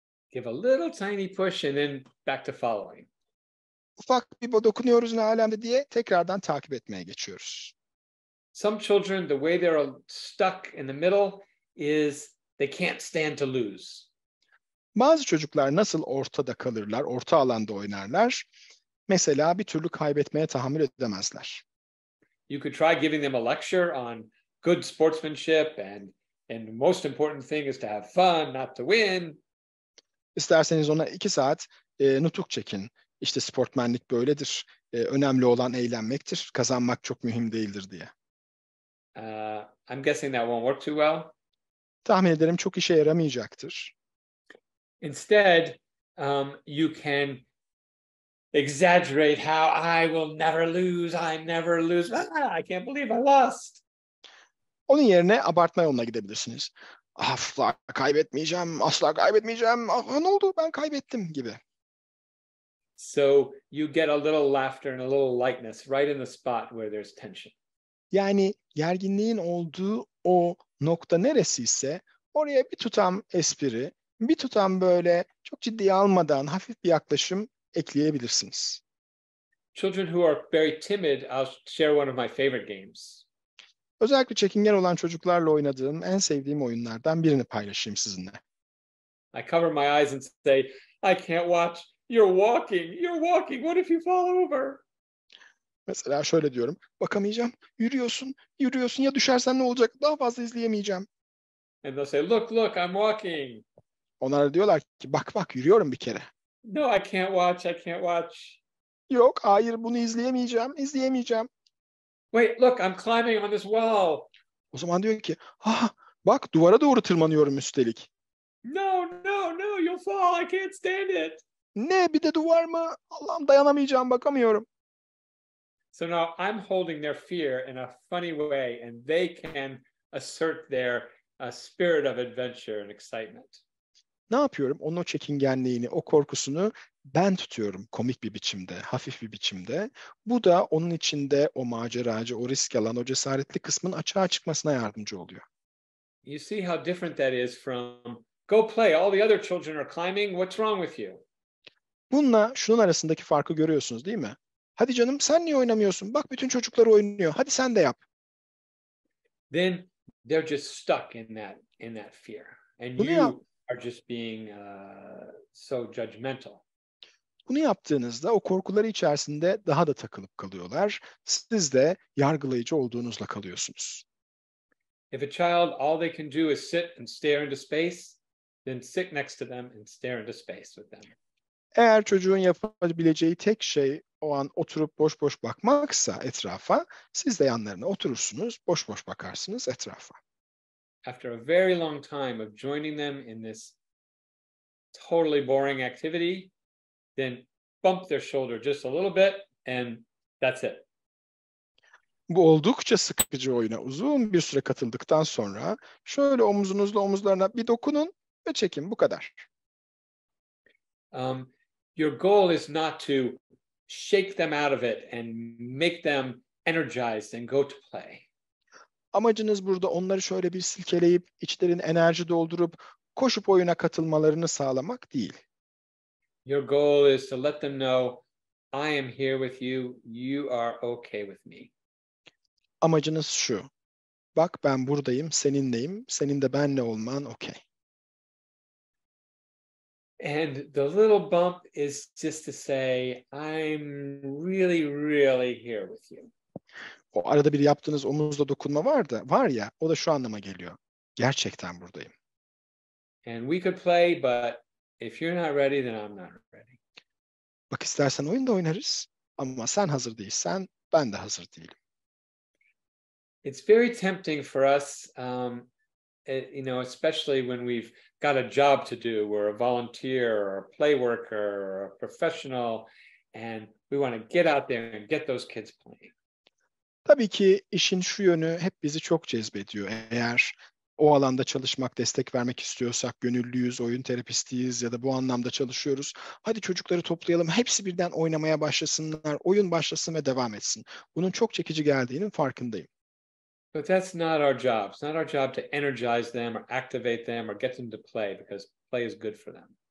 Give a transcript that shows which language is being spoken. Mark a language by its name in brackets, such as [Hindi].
[English] Give a little tiny push and then back to following. [Turkish] Ufak bir dokunuyoruz ne alemde diye tekrardan takip etmeye geçiyoruz. [English] Some children, the way they're stuck in the middle is they can't stand to lose. [Turkish] Bazı çocuklar nasıl ortada kalırlar, orta alanda oynarlar? Mesela bir türlü kaybetmeye tahammül edemezler. [English] You could try giving them a lecture on good sportsmanship and the most important thing is to have fun, not to win. [Turkish] İsterseniz ona 2 saat nutuk çekin. İşte sportmenlik böyledir. Önemli olan eğlenmektir. Kazanmak çok mühim değildir diye. [English] I'm guessing that won't work too well. [Turkish] Tahmin ederim çok işe yaramayacaktır. [English] Instead, you can exaggerate how I will never lose, I never lose. Ah, I can't believe I lost. [Turkish] Onun yerine abartma yoluna gidebilirsiniz. Asla kaybetmeyeceğim, asla kaybetmeyeceğim. Ah, ne oldu? Ben kaybettim gibi. [English] So you get a little laughter and a little lightness right in the spot where there's tension. [Turkish] Yani gerginliğin olduğu o nokta neresiyse oraya bir tutam espri, bir tutam böyle çok ciddiye almadan hafif bir yaklaşım ekleyebilirsiniz. [English] Children who are very timid, I'll share one of my favorite games. [Turkish] Özellikle çekingen olan çocuklarla oynadığım en sevdiğim oyunlardan birini paylaşayım sizinle. [English] I cover my eyes and say, I can't watch. You're walking. What if you fall over? [Turkish] Mesela şöyle diyorum. Bakamayacağım. Yürüyorsun. Ya düşersen ne olacak? Daha fazla izleyemeyeceğim. [English] And they'll say, look, I'm walking. [Turkish] Onlar da diyorlar ki, bak, yürüyorum bir kere. [English] No, I can't watch. [Turkish] Yok, hayır, bunu izleyemeyeceğim. [English] Wait, look, I'm climbing on this wall. [Turkish] O zaman diyor ki, bak duvara doğru tırmanıyorum üstelik. [English] No, you'll fall, I can't stand it. [Turkish] Ne, bir de duvar mı? Allah'ım dayanamayacağım, bakamıyorum. [English] So now I'm holding their fear in a funny way and they can assert their spirit of adventure and excitement. [Turkish] Ne yapıyorum? Onun o çekingenliğini, o korkusunu ben tutuyorum komik bir biçimde, hafif bir biçimde. Bu da onun içinde o maceracı, o risk alan, o cesaretli kısmın açığa çıkmasına yardımcı oluyor. [English] You see how different that is from go play, all the other children are climbing, what's wrong with you? [Turkish] Bununla şunun arasındaki farkı görüyorsunuz değil mi? Hadi canım sen niye oynamıyorsun? Bak bütün çocuklar oynuyor, hadi sen de yap. [English] Then they're just stuck in that fear. And [Turkish] bunu [English] you are just being so judgmental. [Turkish] Bunu yaptığınızda o korkuları içerisinde daha da takılıp kalıyorlar. Siz de yargılayıcı olduğunuzla kalıyorsunuz. [English] If a child all they can do is sit and stare into space, then sit next to them and stare into space with them. [Turkish] Eğer çocuğun yapabileceği tek şey o an oturup boş bakmaksa etrafa, siz de yanlarına oturursunuz, boş bakarsınız etrafa. [English] After a very long time of joining them in this totally boring activity, then bump their shoulder just a little bit and that's it. [Turkish] Bu oldukça sıkıcı oyuna uzun bir süre katıldıktan sonra şöyle omuzunuzla omuzlarına bir dokunun ve çekin, bu kadar. [English] Your goal is not to shake them out of it and make them energized and go to play. [Turkish] Amacınız burada onları şöyle bir silkeleyip içlerini enerji doldurup koşup oyuna katılmalarını sağlamak değil. [English] Your goal is to let them know I am here with you. You are okay with me. [Turkish] Amacınız şu. Bak ben buradayım, seninleyim. Senin de benle olman okay. [English] And the little bump is just to say I'm really really here with you. [Turkish] O arada bir yaptığınız omuzla dokunma vardı. Var ya, o da şu anlama geliyor. Gerçekten buradayım. [English] And we could play, but if you're not ready then I'm not ready. [Turkish] Bak istersen oyun da oynarız ama sen hazır değilsen ben de hazır değilim. [English] It's very tempting for us you know, especially when we've got a job to do, we're a volunteer or a play worker or a professional and we want to get out there and get those kids playing. [Turkish] Tabii ki işin şu yönü hep bizi çok cezbediyor. Eğer o alanda çalışmak, destek vermek istiyorsak, gönüllüyüz, oyun terapistiyiz ya da bu anlamda çalışıyoruz. Hadi çocukları toplayalım, hepsi birden oynamaya başlasınlar, oyun başlasın ve devam etsin. Bunun çok çekici geldiğinin farkındayım. [English] But that's not our job. It's not our job to energize them or activate them or get them to play because play is good for them.